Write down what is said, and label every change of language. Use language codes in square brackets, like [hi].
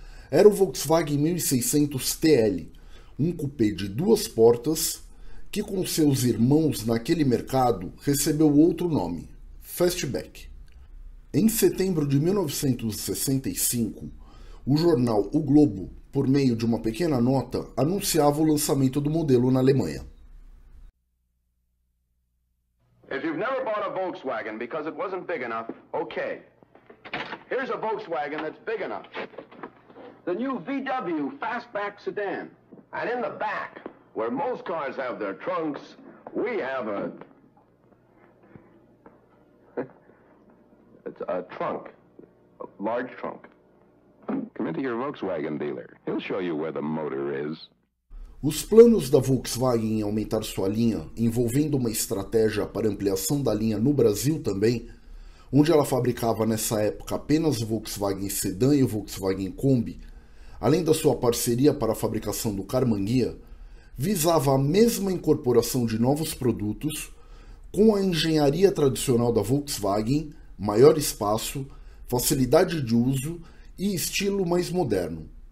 [pt] Era o Volkswagen 1600 TL, um coupé de duas portas, que com seus irmãos naquele mercado recebeu outro nome, Fastback. Em setembro de 1965, o jornal O Globo, por meio de uma pequena nota, anunciava o lançamento do modelo na Alemanha. [en] If you've never bought a Volkswagen because it wasn't big enough, okay. Here's a Volkswagen that's big enough. The new VW Fastback sedan. And in the back, where most cars have their trunks, we have a A trunk. A large trunk. Come into your Volkswagen dealer. He'll show you where the motor is. [pt] Os planos da Volkswagen em aumentar sua linha, envolvendo uma estratégia para ampliação da linha no Brasil também, onde ela fabricava nessa época apenas o Volkswagen Sedan e o Volkswagen Kombi, além da sua parceria para a fabricação do Karmann Ghia, visava a mesma incorporação de novos produtos com a engenharia tradicional da Volkswagen, maior espaço, facilidade de uso e estilo mais moderno.